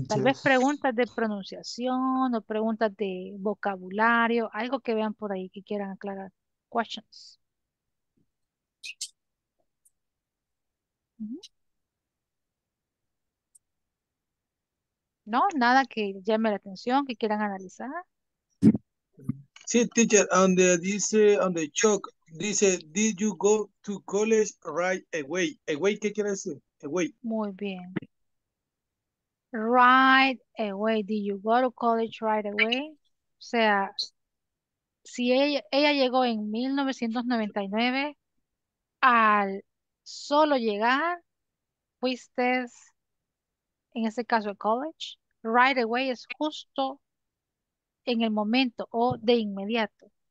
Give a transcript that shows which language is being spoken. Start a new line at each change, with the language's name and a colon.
Spanish: Tal vez preguntas de pronunciación o preguntas de vocabulario, algo que vean por ahí que quieran aclarar. Questions. No, nada que llame la atención, que quieran analizar. Sí, teacher, donde dice, on the chalk, dice,
English: did you go to college right away?
Spanish: Away, ¿qué quiere decir? Away. Muy bien.
English: Right away, did you go to college right away?
Spanish: O sea, si ella llegó en 1999 al solo llegar, fuiste, en este caso el college, right away es justo en el momento o de inmediato.